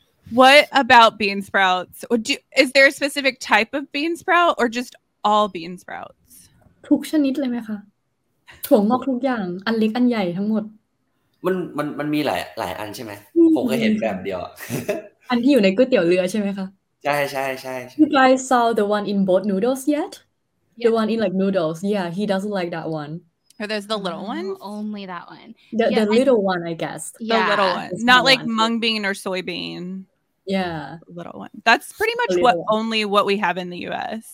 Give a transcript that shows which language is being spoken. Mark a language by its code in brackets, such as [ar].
[en] What about bean sprouts? Is there a specific type of bean sprout or just all bean sprouts? [th] ทุกชนิดเลยไหมคะถั่วงอกทุกอย่างอันเล็กอันใหญ่ทั้งหมด มันมีหลายอันใช่ไหมผมก็เห็นแบบเดียว อันที่อยู่ในก๋วยเตี๋ยวเรือใช่ไหมคะ ใช่ [en] You guys saw the one in boat noodles yet? Yep. The one in like noodles. Yeah, he doesn't like that one. Or there's the little one? Only that one. The little one, I guess. Yeah. The little one. Not like mung bean or soybean. Yeah. The little one. That's pretty much what one. Only what we have in the US.